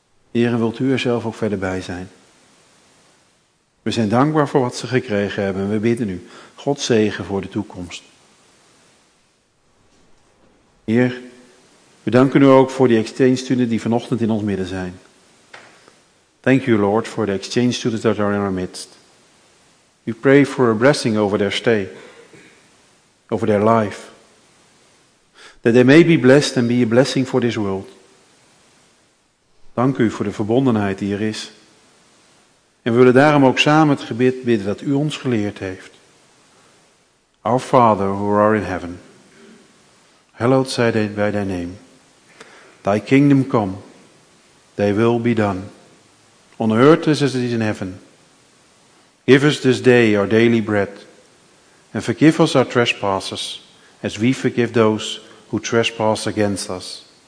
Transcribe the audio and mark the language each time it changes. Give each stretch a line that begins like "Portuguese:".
Dutch: Heer, wilt u er zelf ook verder bij zijn? We zijn dankbaar voor wat ze gekregen hebben en we bidden u God zegen voor de toekomst. Heer, we danken u ook voor die exchange students die vanochtend in ons midden zijn.
English: Thank you, Lord, for the exchange students that are in our midst. We pray for a blessing over their stay, over their life. That they may be blessed and be a blessing for this world.
Dutch: Dank u voor de verbondenheid die er is. En we willen daarom ook samen het gebed bidden dat u ons geleerd heeft.
English: Our Father who art in heaven, hallowed be thy name. Thy kingdom come, thy will be done. On earth as it is in heaven. Give us this day our daily bread. And forgive us our trespasses, as we forgive those who trespass against us.